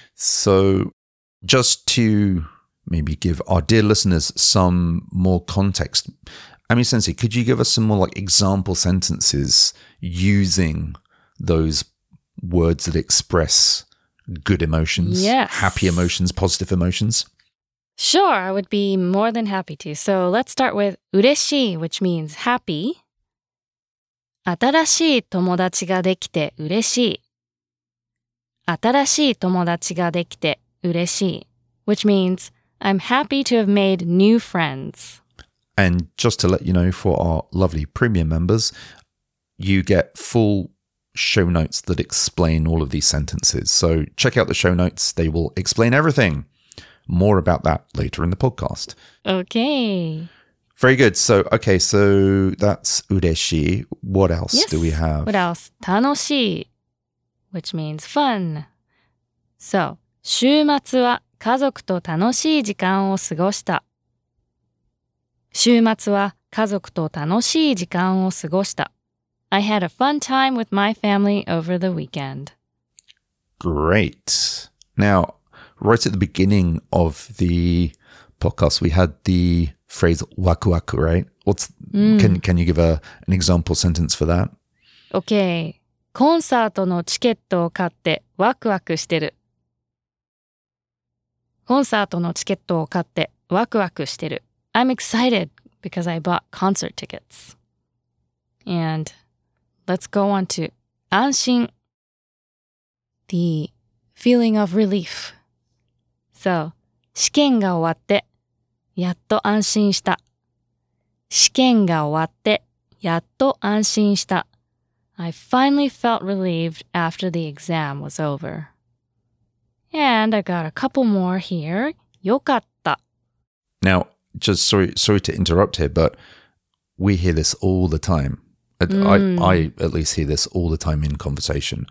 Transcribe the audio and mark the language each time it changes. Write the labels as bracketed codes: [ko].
[en] So just to maybe give our dear listeners some more context, Ami-sensei, could you give us some more like example sentences using those words that express good emotions, happy emotions, positive emotions? Sure, I would be more than happy to. So let's start with 嬉しい, which means happy. [ja] 新しい友達ができて嬉しい。新しい友達ができて嬉しい, [en] which means I'm happy to have made new friends. And just to let you know, for our lovely premium members, you get full show notes that explain all of these sentences. So check out the show notes. They will explain everything. More about that later in the podcast. Okay. Very good. So, okay, so that's 嬉しい. What else do we have? What else? 楽しい, which means fun. [ja] So, 週末は家族と楽しい時間を過ごした。週末は家族と楽しい時間を過ごした。 [en] I had a fun time with my family over the weekend. Great. Now, right at the beginning of the podcast, we had the phrase waku waku, right? Can you give an example sentence for that? Okay. [ja] コンサートのチケットを買ってワクワクしてる。コンサートのチケットを買ってわくわくしてる. [en] I'm excited because I bought concert tickets. And let's go on to 安心. The feeling of relief. [ja] So, 試験が終わってやっと安心した. 試験が終わってやっと安心した. [en] I finally felt relieved after the exam was over. And I got a couple more here. よかった. Now, just sorry to interrupt here, but we hear this all the time. I at least hear this all the time in conversation.